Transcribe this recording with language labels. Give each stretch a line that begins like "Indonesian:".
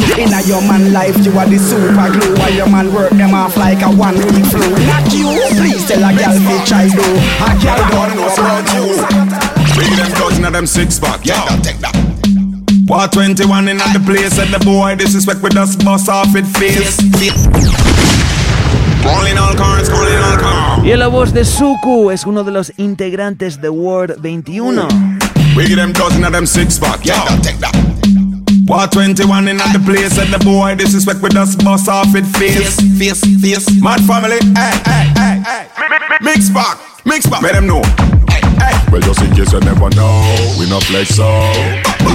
English: In a your man life you are the super glue. While your man work them off like a one week flu. Not you, please tell a girl if he try do. A girl don't know about you. Bring them thugs in them six pack. Yeah, don't take that. War 21 in the place, and the boy disrespect with us, bust off it face.
Spanish: Y la voz de Suku es uno de los integrantes de War 21.
English: We get them dozen of them six pack. Yeah, don't take that. War 21 in the place, and the boy disrespect with us, bust off it face. Mad family, hey. Mix back. Make them know. Well, just in case you never know, we not flex out.